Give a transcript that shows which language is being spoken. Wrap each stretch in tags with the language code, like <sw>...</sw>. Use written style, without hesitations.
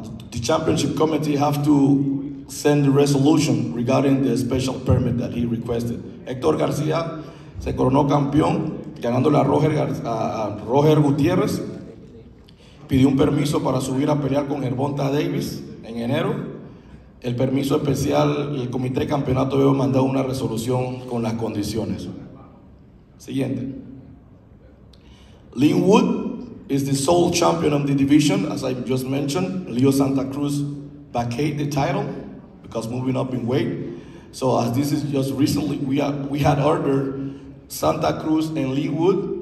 <en>The championship committee have to send a resolution regarding the special permit that he requested.</en> <es>Hector Garcia se coronó campeón ganándole a Roger Gutierrez. Pidió un permiso para subir a pelear con Gervonta Davis en enero. El permiso especial, el comité de campeonato debe mandar una resolución con las condiciones. Siguiente.</es> <en>Lin Wood is the sole champion of the division, as I just mentioned. Leo Santa Cruz vacated the title because moving up in weight. So as this is just recently, we had ordered Santa Cruz and Lin Wood.</en>